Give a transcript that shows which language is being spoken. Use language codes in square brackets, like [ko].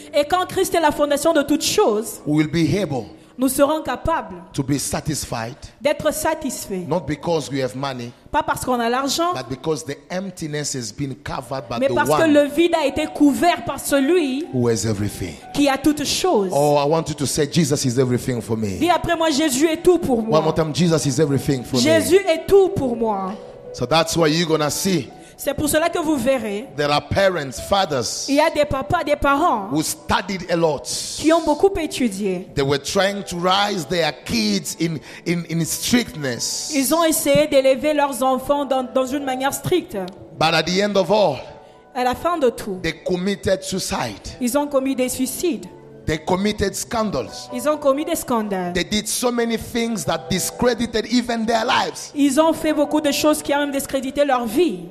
[fr] et quand Christ est la fondation de toutes choses, [en] we will be able. [fr] Nous serons capables [en] to be satisfied, [fr] d'être satisfaits. [en] Not because we have money, [fr] pas parce qu'on a l'argent, [en] but because the emptiness has been covered by [fr] mais [en] the [fr] parce [en] one [fr] que le vide a été couvert par celui [en] who has everything. [fr] Qui a toutes choses. [en] Oh, I want you to say, Jesus is everything for me. [fr] Dis après moi, Jésus est tout pour moi. [en] One more time, Jesus is everything for [fr] Jésus [en] me. [fr] Est tout pour moi. [en] So that's what you're going to see. [fr] C'est pour cela que vous verrez. [en] There are parents, fathers. [fr] Il y a des papas, des parents. [en] Who studied a lot. [fr] Qui ont beaucoup étudié. [en] They were trying to raise their kids in strictness. [fr] Ils ont essayé d'élever leurs enfants dans une manière stricte. [en] But at the end of all. [fr] À la fin de tout. [en] They committed suicide. [fr] Ils ont commis des suicides. [en] They committed scandals. [fr] Ils ont commis des scandales. [en] They did so many things that discredited even their lives. [fr] Ils ont fait beaucoup de choses qui ont même discrédité leur vie.